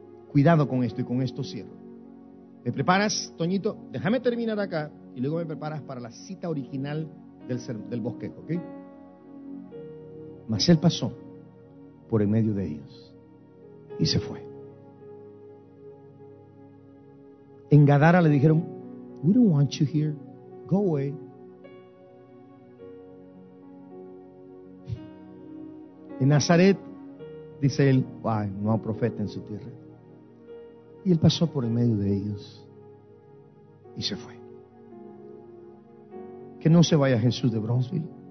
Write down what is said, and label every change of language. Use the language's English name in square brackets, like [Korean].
[Spanish] Cuidado con esto y con esto cierro. ¿Me preparas, Toñito? Déjame terminar acá y luego me preparas para la cita original del bosquejo, ¿ok? Mas él pasó por en medio de ellos y se fue. En Gadara le dijeron, [English] "We don't want you here, go away." [Spanish] En Nazaret, dice él, ay, no hay profeta en su tierra. Y él pasó por el medio de ellos y se fue. Que no se vaya Jesús de Bronzeville.